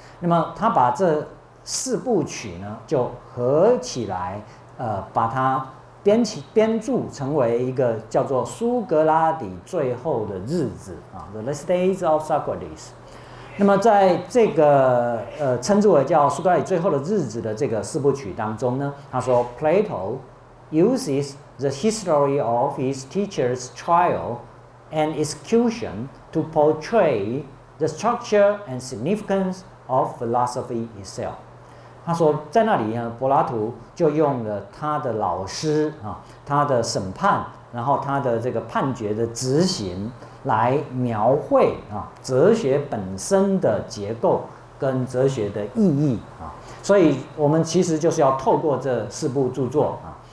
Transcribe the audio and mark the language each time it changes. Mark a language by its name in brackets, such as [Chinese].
[Chinese] 那么他把这四部曲呢就合起来，把它编著成为一个叫做苏格拉底最后的日子啊 ， [English] the last days of Socrates。 [Chinese] 那么在这个称之为叫苏格拉底最后的日子的这个四部曲当中呢，他说 Plato。 [English] Uses the history of his teacher's trial and execution to portray the structure and significance of philosophy itself. [Chinese] 他说，在那里呢，柏拉图就用了他的老师啊，他的审判，然后他的这个判决的执行，来描绘啊哲学本身的结构跟哲学的意义啊。所以，我们其实就是要透过这四部著作啊。